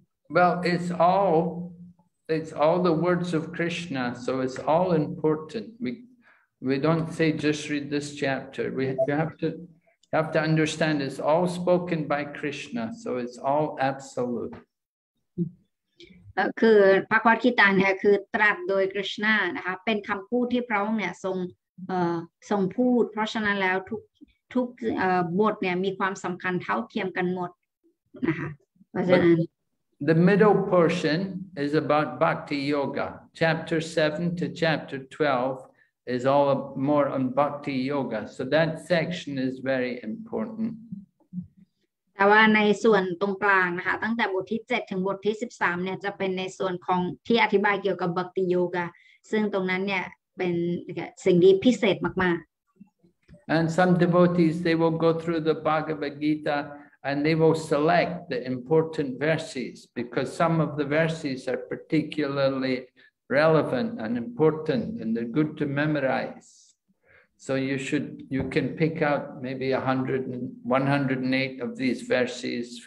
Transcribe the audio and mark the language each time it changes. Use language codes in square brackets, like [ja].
[en] well it's all the words of Krishna so it's all important we don't say just read this chapter you have to understand it's all spoken by Krishna so it's all absolute [th] คือพระกวัตกีตาเนี่ยคือตรัสโดยคริชนานะคะเป็นคําพูดที่พระองค์เนี่ยทรงพูดเพราะฉะนั้นแล้วทุกบทเนี่ยมีความสําคัญเท่าเทียมกันหมดนะคะเพราะฉะนั้น [en] The middle portion is about bhakti yoga chapter 7 to chapter 12 is all more on bhakti yoga so that section is very important [th] แต่ว่าในส่วนตรงกลางนะคะตั้งแต่บทที่7ถึงบทที่13เนี่ยจะเป็นในส่วนของที่อธิบายเกี่ยวกับบักติโยกะซึ่งตรงนั้นเนี่ยเป็นสิ่งที่พิเศษมาก [en] ๆ And some devotees they will go through the Bhagavad Gita and they will select the important verses because some of the verses are particularly relevant and important and they're good to memorize So you can pick out maybe 108 of these verses.